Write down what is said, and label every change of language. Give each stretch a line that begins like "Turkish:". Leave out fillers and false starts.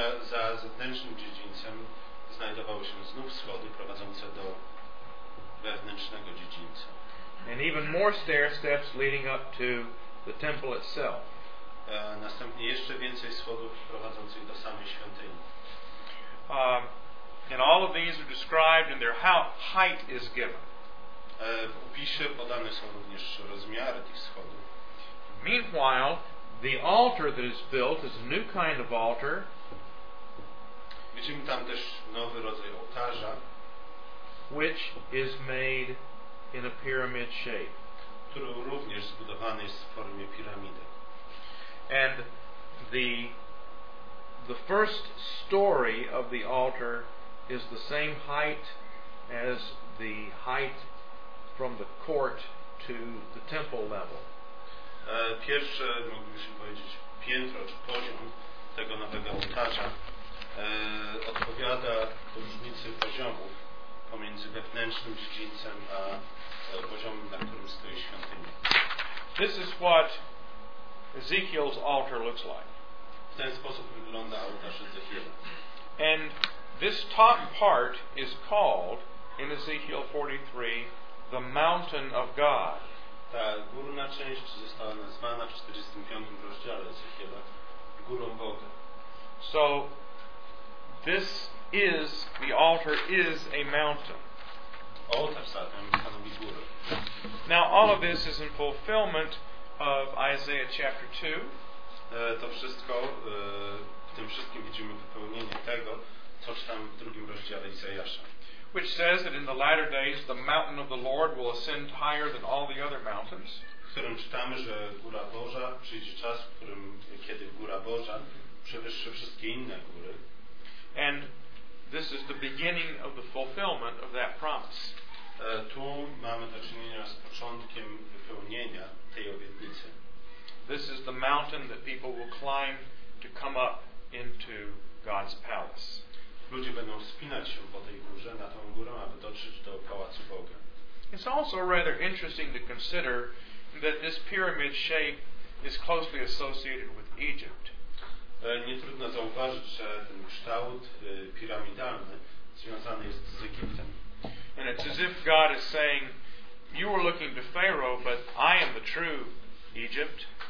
Polish: Za zewnętrznym dziedzińcem znajdowały się znów schody prowadzące do wewnętrznego dziedzińca.
English: And even more stair steps leading up to the temple itself.
Polish: Następnie jeszcze więcej schodów prowadzących do samej świątyni.
English: And all of these are described and their height is given.
Polish: W opisie podane są również rozmiary tych schodów.
English: Meanwhile, the altar that is built is a new kind of altar.
Polish: Widzimy tam też nowy rodzaj ołtarza,
English: which is made in a pyramid shape.
Polish: Który również zbudowany jest w formie piramidy.
English: And the first story of the altar is the same height as the height from the court to the temple level.
Polish: Pierwsze, moglibyśmy powiedzieć, piętro czy poziom tego nowego ołtarza odpowiada różnicy poziomów pomiędzy wewnętrznym dziedzińcem a poziomem, na którym stoi świątynia.
English: This is what Ezekiel's altar looks like.
Polish: W ten sposób wygląda ołtarz Ezechiela.
English: And this top part is called in Ezekiel 43 the mountain of God.
Polish: Ta górna część została nazwana w 45 rozdziale Ezechiela górą Boga.
English: So this is the altar is a mountain.
Polish: Ołtarz zatem stanowi górę.
English: Now all of this is in fulfillment of Isaiah chapter 2.
Polish: To wszystko, w tym wszystkim widzimy wypełnienie tego, co czytamy w drugim rozdziale Izajasza.
English: which says that in the latter days the mountain of the Lord will ascend higher than all the other mountains.
Polish: Którym czytamy, że Góra Boża przyjdzie czas, w którym kiedy Góra Boża przewyższy wszystkie inne góry.
English: And this is the beginning of the fulfillment of that promise.
Polish: Tu mamy do czynienia z początkiem wypełnienia tej obietnicy.
English: This is the mountain that people will climb to come up into God's palace.
Polish: Ludzie będą wspinać się po tej górze, na tą górę, aby dotrzeć do pałacu Boga.
English: It's also rather interesting to consider that this pyramid shape is closely associated with Egypt.
Polish: Nie trudno zauważyć, że ten kształt piramidalny związany jest z Egiptem.
English: And it's as if God is saying, you were looking to Pharaoh, but I am the true Egypt.